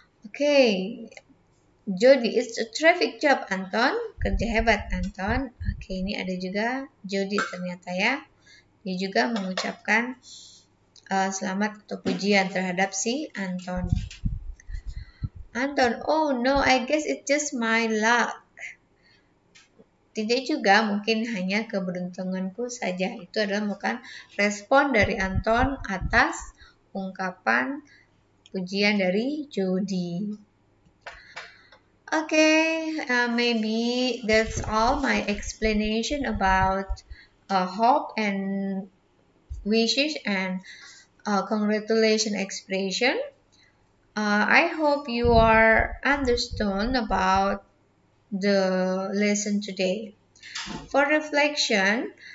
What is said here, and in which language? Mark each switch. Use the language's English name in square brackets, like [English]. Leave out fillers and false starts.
[English] Okay. Jody, it's a terrific job, Anton. [Indonesian] Kerja hebat, Anton. Oke, ini ada juga Jody ternyata ya. Dia juga mengucapkan selamat atau pujian terhadap si Anton. [English] Anton, oh no, I guess it's just my luck. [Indonesian] Tidak juga, mungkin hanya keberuntunganku saja. Itu adalah bukan respon dari Anton atas ungkapan pujian dari Jody. [English] Okay, maybe that's all my explanation about hope and wishes and congratulation expression. I hope you are understand about the lesson today. For reflection,